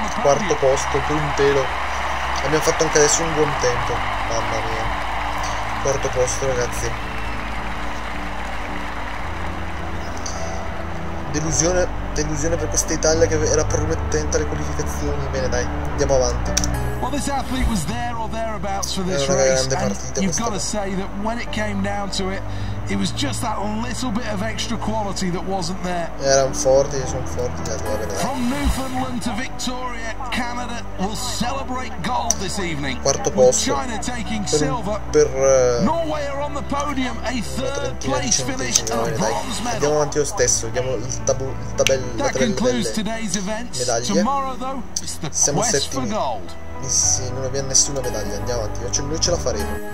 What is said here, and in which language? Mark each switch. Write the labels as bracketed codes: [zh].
[it] Quarto posto, più un pelo. Abbiamo fatto anche adesso un buon tempo. Mamma mia. Quarto posto, ragazzi. Delusione per questa Italia che era promettente alle qualificazioni. Bene, dai, andiamo avanti. [en] Well, this athlete was there or thereabouts for this race, and you've got to say that when it came down to it, it was just that little bit of extra quality that wasn't there. [it] Erano forti, [en] from Newfoundland to Victoria, Canada will celebrate gold this evening. [it] Quarto posto. [en] China taking silver. Norway are on the podium, a third place finish and a bronze medal. [it] Andiamo avanti lo stesso, vediamo la tabella. [en] That concludes today's events. Tomorrow, though, it's the quest for gold. [it] Sì, non abbiamo nessuna medaglia, andiamo avanti, noi ce la faremo.